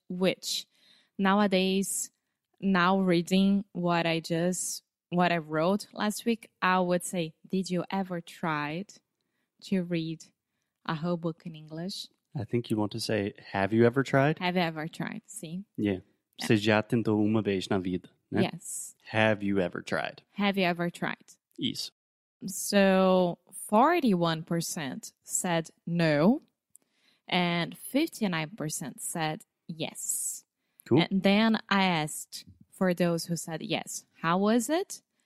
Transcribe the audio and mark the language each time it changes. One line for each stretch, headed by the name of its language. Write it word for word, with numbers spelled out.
English: Which nowadays, now reading what I just, what I wrote last week, I would say, did you ever try to read a whole book in English? I think you want to say, have you ever tried? Have you ever tried?
Portuguese: Sim.
English: Yeah.
Portuguese: É. Você já tentou uma vez na vida, né?
English: Yes. Have you ever tried? Have you ever tried?
Portuguese: Isso.
English: So forty-one percent said no, and fifty-nine percent said yes. Cool. And then I asked for those who said yes, how was it?